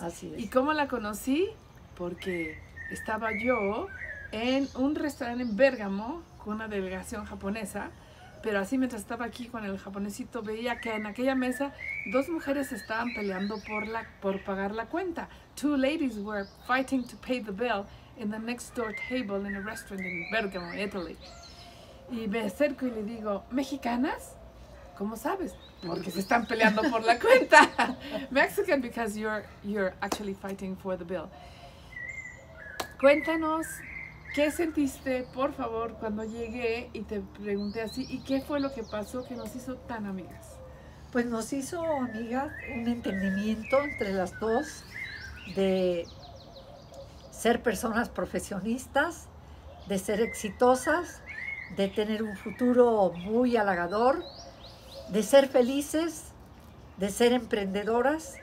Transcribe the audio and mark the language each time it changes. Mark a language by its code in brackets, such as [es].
[es] Así es. ¿Y cómo la conocí? Porque estaba yo en un restaurante en Bérgamo con una delegación japonesa. Pero así, mientras estaba aquí con el japonesito, veía que en aquella mesa dos mujeres estaban peleando por pagar la cuenta. [en] Two ladies were fighting to pay the bill in the next door table in a restaurant in Bergamo, Italy. [es] Y me acerco y le digo, ¿mexicanas? ¿Cómo sabes? Porque se están peleando por la cuenta. [en] Mexican, because you're actually fighting for the bill. [es] Cuéntanos. ¿Qué sentiste, por favor, cuando llegué y te pregunté así? ¿Y qué fue lo que pasó que nos hizo tan amigas? Pues nos hizo, amiga, un entendimiento entre las dos de ser personas profesionistas, de ser exitosas, de tener un futuro muy halagador, de ser felices, de ser emprendedoras.